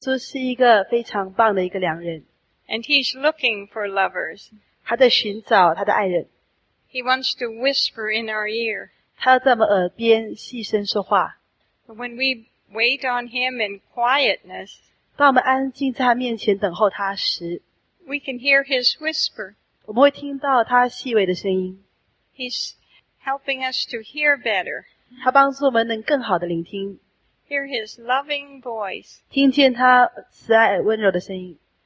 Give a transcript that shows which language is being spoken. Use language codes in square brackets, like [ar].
[zh] 就是一个非常棒的一个良人。 [en] And he's looking for lovers. [zh] 他在寻找他的爱人。 [en] He wants to whisper in our ear. [zh] 他要在我们耳边细声说话。 [en] But when we wait on him in quietness, [zh] 当我们安静在他面前等候他时 [en] we can hear his whisper. [zh] 我们会听到他细微的声音。 [en] He's helping us to hear better. [zh] 他帮助我们能更好的聆听。 [en] Hear his loving voice. [zh] 听见他慈爱温柔的声音。